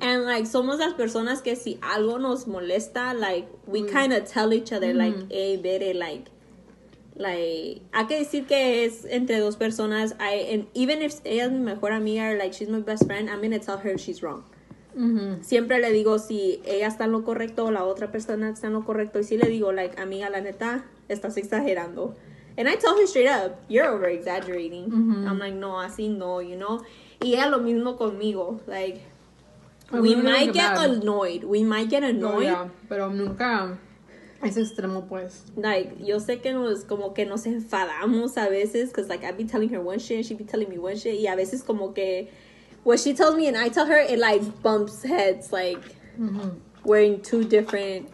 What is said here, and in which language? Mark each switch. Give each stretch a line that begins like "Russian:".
Spanish: And, like, somos las personas que si algo nos molesta, like, we kind of tell each other, like, hey, Bere, like, hay que decir que es entre dos personas.
English: Even if ella es mi mejor amiga, or, like, she's my best friend, I'm going to tell her if she's wrong. Mm-hmm.
Spanish: Siempre le digo si ella está en lo correcto o la otra persona está en lo correcto. Y si le digo, like, amiga, la neta, estás exagerando.
English: And I tell her straight up, you're over exaggerating.
Spanish: Mm-hmm. I'm like, no, así no, you know. Y ella lo mismo conmigo.
English: Like, we might get annoyed.
Spanish: Pero nunca es extremo, pues. Like, yo sé que nos, como que nos enfadamos a veces.
English: Because, like, I'd be telling her one shit and she'd be telling me one shit. Y a veces como que... what she tells me and I tell her, it, like, bumps heads, like, we're in two different...